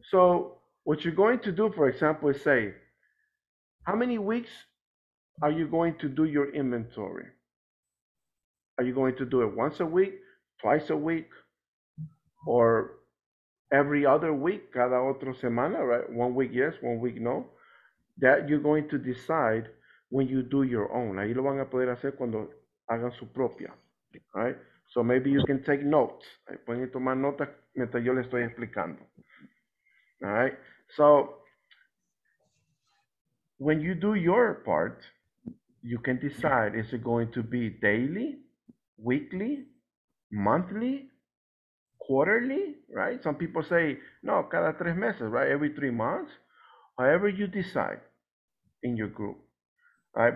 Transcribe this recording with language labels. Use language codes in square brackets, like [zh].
[en] So what you're going to do, for example, is say, how many weeks are you going to do your inventory? Are you going to do it once a week, twice a week, or every other week, [es] cada otra semana, [en] right? 1 week yes, 1 week no. That you're going to decide when you do your own. [es] Ahí lo van a poder hacer cuando hagan su propia, [en] right? So maybe you can take notes. [es] Pueden tomar notas mientras yo les estoy explicando, [en] all right? So when you do your part, you can decide, is it going to be daily, weekly, monthly, quarterly, right? Some people say, no, [es] cada 3 meses, [en] right? Every 3 months, however you decide in your group, all right?